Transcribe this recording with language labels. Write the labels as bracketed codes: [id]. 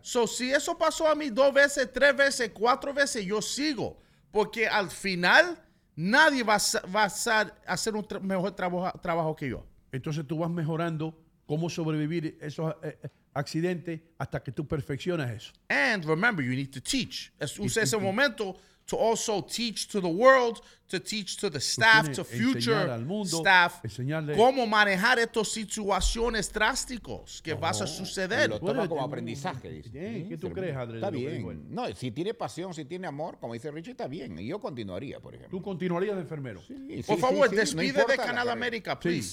[es] So, si eso pasó a mí dos veces, tres veces, cuatro veces, yo sigo. Porque al final, nadie va a hacer un mejor trabajo que yo. Entonces, tú vas mejorando cómo sobrevivir esos accidentes hasta que tú perfeccionas eso. [en] And remember, you need to teach. [es] Usa ese momento [en] to also teach to the world, to teach to the staff, to future [es] al mundo, [en] staff, [es] enseñarle cómo manejar estas situaciones drásticas que vas a suceder. Lo toma como aprendizaje. Dice. ¿Qué tú crees, Andrés? Está bien. No, si tiene pasión, si tiene amor, como dice Richie, está bien. Y yo continuaría, por ejemplo. ¿Tú continuarías de enfermero? Sí, por favor, despide de Canal América, please.